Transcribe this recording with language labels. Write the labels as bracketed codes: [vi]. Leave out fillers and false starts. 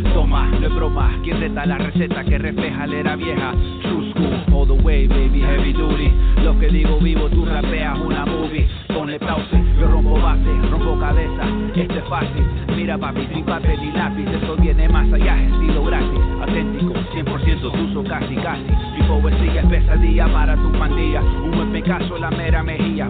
[es] Toma, no es broma, quien reta la receta que refleja la era vieja. [en] True school, all the way, baby, heavy duty. [es] Lo que digo vivo, tú rapeas una movie. Ponle pause, yo rompo base, rompo cabeza. Esto es fácil, mira papi, sin papel y lápiz. Esto viene más allá, estilo gratis. Auténtico, 100% uso casi casi. Mi power sigue, es pesadilla para tu pandilla. Humo en mi caso, la mera mejilla.